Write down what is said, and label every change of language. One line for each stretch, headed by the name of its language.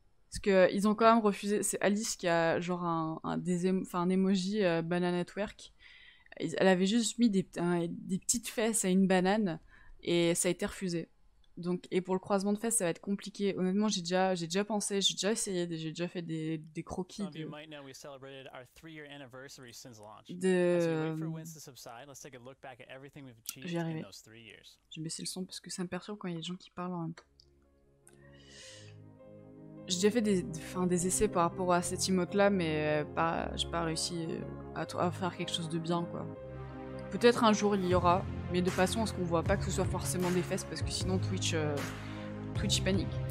French: Parce qu'ils ont quand même refusé, c'est Alice qui a genre un emoji
English: banana twerk.
French: Elle avait juste mis des petites fesses à une banane et ça a été refusé. Donc, et pour le croisement de fesses, ça va être compliqué. Honnêtement, j'ai déjà pensé, j'ai déjà essayé, j'ai déjà fait des croquis.
English: Some of you might know we celebrated our 3-year anniversary since launch. De... As we wait for winds to subside, let's take a look back at everything we've achieved in those 3 years.
French: Je vais baisser le son parce que ça me perturbe quand il y a des gens qui parlent en même temps. J'ai déjà fait des essais par rapport à cette emote-là, mais j'ai pas réussi à faire quelque chose de bien, quoi. Peut-être un jour, il y aura, mais de façon à ce qu'on voit pas que ce soit forcément des fesses, parce que sinon Twitch panique.